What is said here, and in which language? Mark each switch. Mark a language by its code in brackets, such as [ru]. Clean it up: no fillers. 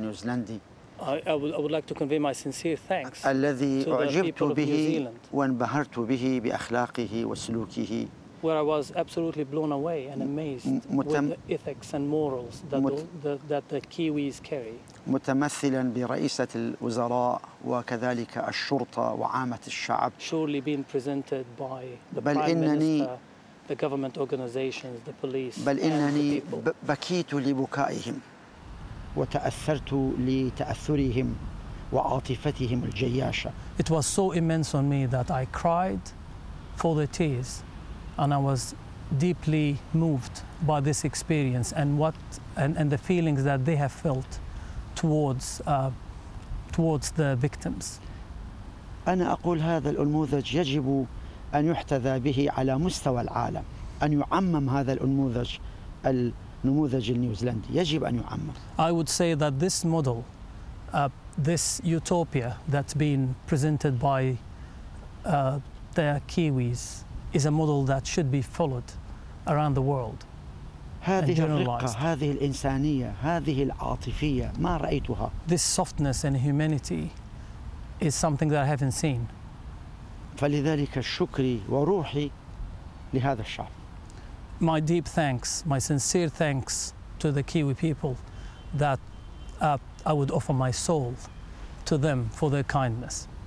[en] I would like to convey my sincere thanks to the people of New Zealand, where I was absolutely blown away and amazed with the ethics and morals that the Kiwis carry. [ar] متمثلاً برئيسة الوزراء وكذلك الشرطة وعامة الشعب. [en] Surely being presented by the Prime Minister, the government organizations, the police, [ar] بل إنني بكيت لبكائهم وتأثرت لتأثرهم وعاطفتهم الجياشة. [en] It was so immense on me that I cried for the tears, and I was deeply moved by this experience and the feelings that they have felt towards the victims. [ar] أنا أقول هذا الأنموذج يجب أن يحتذى به على مستوى العالم، أن يعمم هذا الأنموذج النموذج النيوزيلندي، يجب أن يعمم. [en] I would say that this model, this utopia that's been presented by the Kiwis, is a model that should be followed around the world. [ar] هذه الرقة، هذه الإنسانية، هذه العاطفية، ما رأيتها. [en] This softness and humanity is something that I haven't seen. [ar] فلذلك شكري وروحي لهذا الشعب. [en] My deep thanks, my sincere thanks to the Kiwi people, that I would offer my soul to them for their kindness.